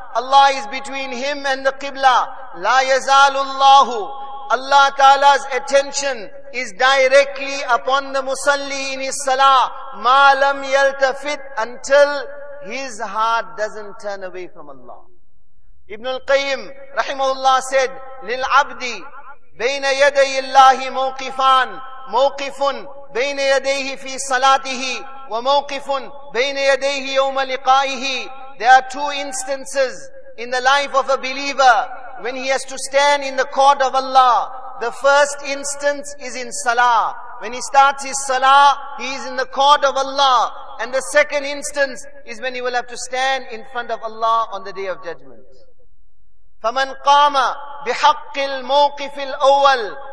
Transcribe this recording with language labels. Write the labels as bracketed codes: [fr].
[en] Allah is between him and the qibla. La yazalullahu. Allah Ta'ala's attention is directly upon the musalli in his salah. Ma lam yaltafit, until his heart doesn't turn away from Allah. [ar] Ibn al-Qayyim rahimahullah said, lil abdi بين يدي الله موقفان موقف بين يديه في صلاته وموقف بين يديه يوم لقائه. [en] There are two instances in the life of a believer when he has to stand in the court of Allah. The first instance is in salah. When he starts his salah, he is in the court of Allah. And the second instance is when he will have to stand in front of Allah on the day of judgment. [ar] فَمَنْ قَامَ بِحَقِّ الْمَوْقِفِ الْأَوَّلِ